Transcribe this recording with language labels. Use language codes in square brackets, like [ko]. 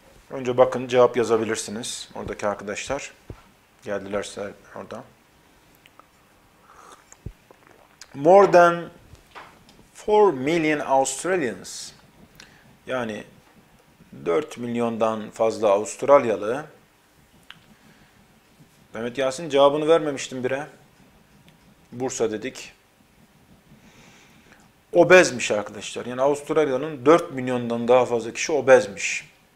[tr] Önce bakın cevap yazabilirsiniz. Oradaki arkadaşlar geldilerse orada. [en] More than 4 million Australians. [tr] Yani 4 milyondan fazla Avustralyalı Mehmet Yasin, cevabını vermemiştim bire. Bursa dedik. Obezmiş arkadaşlar. Yani Avustralya'nın 4 milyondan daha fazla kişi obezmiş.